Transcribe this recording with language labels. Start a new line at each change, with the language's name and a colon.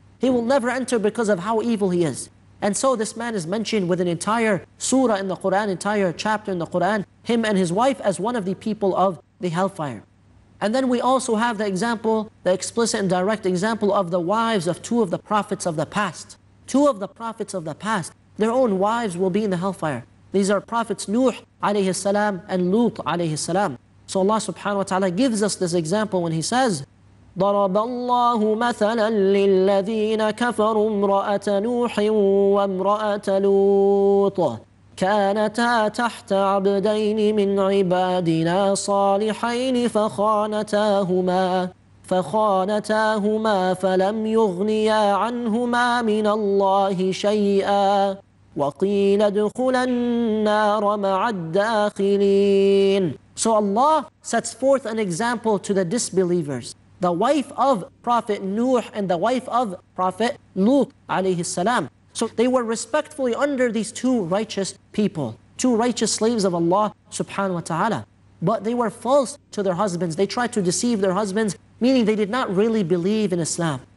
English: He will never enter because of how evil he is. And so this man is mentioned with an entire surah in the Quran, entire chapter in the Quran, him and his wife as one of the people of the hellfire. And then we also have the example, the explicit and direct example of the wives of two of the prophets of the past. Two of the prophets of the past, their own wives will be in the hellfire. These are prophets Nuh alayhi salam and Lut alayhi salam. So Allah subhanahu wa ta'ala gives us this example when he says,
Arabic: ضرب الله مثلا للذين كفروا امرأة نوح وامرأة لوط كانتا تحت عبدين من عبادنا صالحين فخانتاهما فلم يغنيا عنهما من الله شيئا وقيل ادخلا النار مع الداخلين.
English: So Allah sets forth an example to the disbelievers. The wife of Prophet Nuh and the wife of Prophet Lut alayhi salam. So they were respectfully under these two righteous people, two righteous slaves of Allah subhanahu wa ta'ala. But they were false to their husbands. They tried to deceive their husbands, meaning they did not really believe in Islam.